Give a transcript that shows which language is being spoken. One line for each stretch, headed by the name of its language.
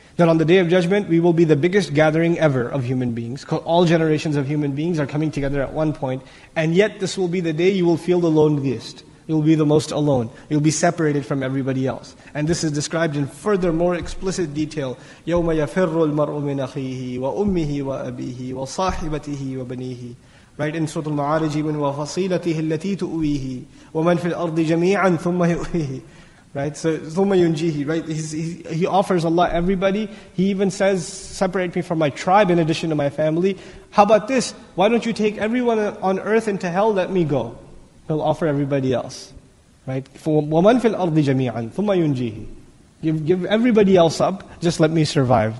English: That on the Day of Judgment, we will be the biggest gathering ever of human beings. All generations of human beings are coming together at one point, and yet this will be the day you will feel the loneliest. You'll be the most alone. You'll be separated from everybody else. And this is described in further more explicit detail.
Arabic: يَوْمَ يَفِرُّ الْمَرْءُ مِنْ أَخِيهِ وَأُمِّهِ وَأَبِيهِ وَصَاحِبَتِهِ وَبَنِيهِ
English: Right in Surah Al-Ma'arij, even
Arabic: وَفَصِيلَتِهِ الَّتِي تُؤْوِيهِ وَمَنْ فِي الْأَرْضِ جَمِيعًا ثُمَّ يُؤْوِيهِ
English: Right, so
Arabic: ثُمَّ يُنْجِيهِ
English: Right, he offers Allah everybody. He even says, separate me from my tribe in addition to my family. How about this? Why don't you take everyone on earth into hell? Let me go. He'll offer everybody else. Right?
Arabic: وَمَنْ فِي الْأَرْضِ جَمِيعًا ثُمَّ يُنْجِيهِ
English: give everybody else up, just let me survive.